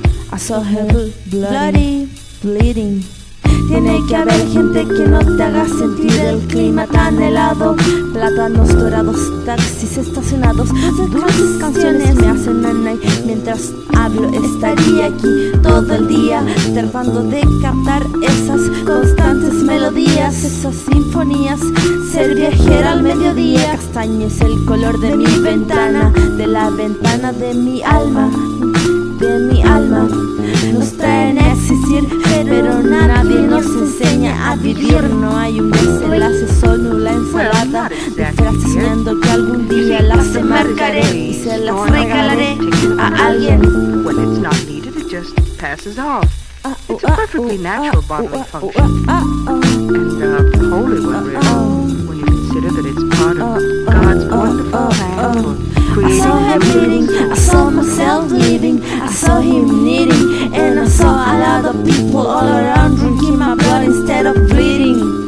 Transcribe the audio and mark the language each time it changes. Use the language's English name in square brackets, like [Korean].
[English] I saw her bloody bleeding. [Spanish] Tiene que haber gente que no te haga sentir el clima tan helado. Plátanos dorados, taxis estacionados. Dulces canciones me hacen nanay mientras hablo. Estaría aquí todo el día tratando de captar esas constantes melodías, esas sinfonías. Ser viajera al mediodía. Castaño es el color de mi ventana, de la ventana de mi alma. De mi alma nos traen a existir, pero nadie nos enseña a vivir. No hay un desenlace, solo la ensalada de frases, soñando que algún día las enmarcaré y se las regalaré a alguien. [English] When it's not needed, it just passes off. It's a perfectly natural bodily function. And holy one, really, when you consider that it's part of God's wonderful plan. I saw her bleeding, I saw myself bleeding, I saw him knitting, and I saw a lot of people all around drinking my blood instead of bleeding.